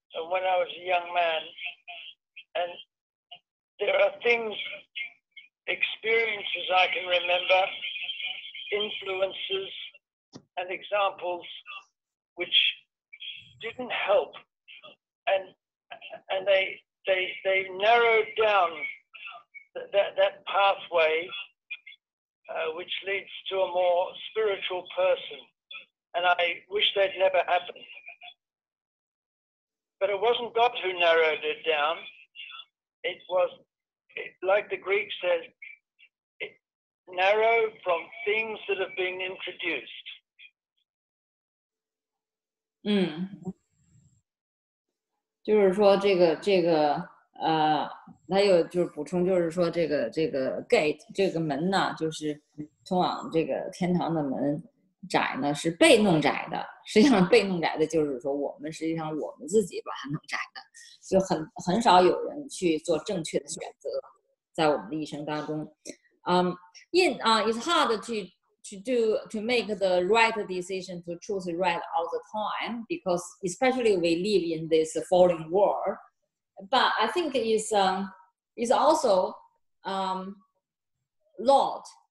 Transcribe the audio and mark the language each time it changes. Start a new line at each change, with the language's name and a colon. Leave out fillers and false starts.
English: When I was a young man, and there are things, experiences I can remember, influences and examples which didn't help, and they narrowed down that pathway, which leads to a more spiritual person, and I wish they'd never happened. But it wasn't God who narrowed it down. It was, like the Greek says, narrow from things that have been introduced. Mm.
Chinese: 就是说这个他又就是补充，就是说这个 gate 这个门呢，就是通往这个天堂的门。窄呢是被弄窄的，实际上被弄窄的就是说我们实际上我们自己把它弄窄的，就很少有人去做正确的选择在我们的一生当中。
English: It's hard to make the right decision to choose right all the time, because especially we live in this falling world, but I think it's also Lord.